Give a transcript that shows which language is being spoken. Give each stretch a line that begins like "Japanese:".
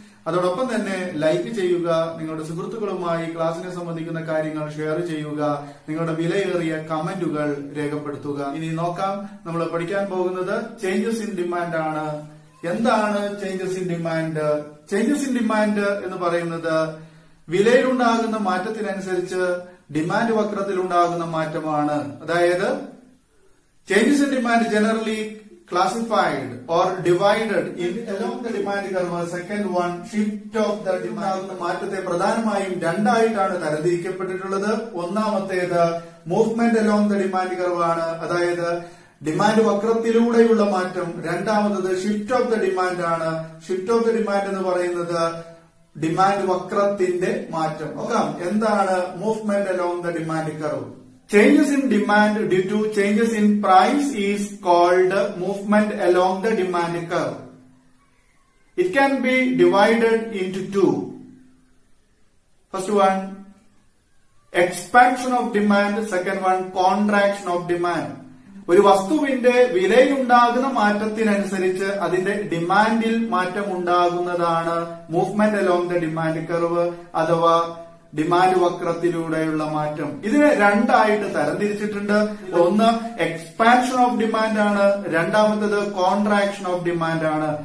Malayalam: അതോടൊപ്പം തന്നെ ലൈക്ക് ചെയ്യുക, നിങ്ങളുടെ സുഹൃത്തുക്കളുമായി ക്ലാസിനെ സംബന്ധിക്കുന്ന കാര്യങ്ങൾ ഷെയർ ചെയ്യുക, നിങ്ങളുടെ വിലയേറിയ കമന്റുകൾ രേഖപ്പെടുത്തുക. ഇനി നോക്കാം, നമ്മൾ പഠിക്കാൻ പോകുന്നത് ചേഞ്ചസ് ഇൻ ഡിമാൻഡ് ആണ്. എന്താണ് changes in demand? Changes in demand എന്ന് പറയുന്നത് വിലയിലുണ്ടാകുന്ന മാറ്റത്തിനനുസരിച്ച് ഡിമാൻഡ് വക്രത്തിലുണ്ടാകുന്ന മാറ്റമാണ്. അതായത്
English: Changes in demand generally classified or divided in along the demand curve. Second one, shift of the demand
Malayalam: മാറ്റത്തെ പ്രധാനമായും രണ്ടായിട്ടാണ് തരംതിരിക്കപ്പെട്ടിട്ടുള്ളത്. ഒന്നാമത്തേത് movement along the demand curve ആണ്, അതായത് ഡിമാൻഡ് വക്രത്തിലൂടെയുള്ള മാറ്റം. രണ്ടാമത്തേത് ഷിഫ്റ്റ് ഓഫ് ദ ഡിമാൻഡ് ആണ്. ഷിഫ്റ്റ് ഓഫ് ദ ഡിമാൻഡ് എന്ന് പറയുന്നത് ഡിമാൻഡ് വക്രത്തിന്റെ മാറ്റം. നോക്കാം എന്താണ് movement along the demand curve.
English: Changes in demand due to changes in price is called movement along the demand curve. It can be divided into two. First one, expansion of demand. Second one, contraction of demand.
Malayalam: ഒരു വസ്തുവിന്റെ വിലയിലുണ്ടാകുന്ന മാറ്റത്തിനനുസരിച്ച് അതിന്റെ ഡിമാൻഡിൽ മാറ്റം ഉണ്ടാകുന്നതാണ് movement along the demand curve അഥവാ demand വക്രത്തിലൂടെയുള്ള മാറ്റം. ഇതിനെ രണ്ടായിട്ട് തരംതിരിച്ചിട്ടുണ്ട്. ഒന്ന് എക്സ്പാൻഷൻ ഓഫ് ഡിമാൻഡ് ആണ്, രണ്ടാമത്തേത് കോൺട്രാക്ഷൻ ഓഫ് ഡിമാൻഡ് ആണ്.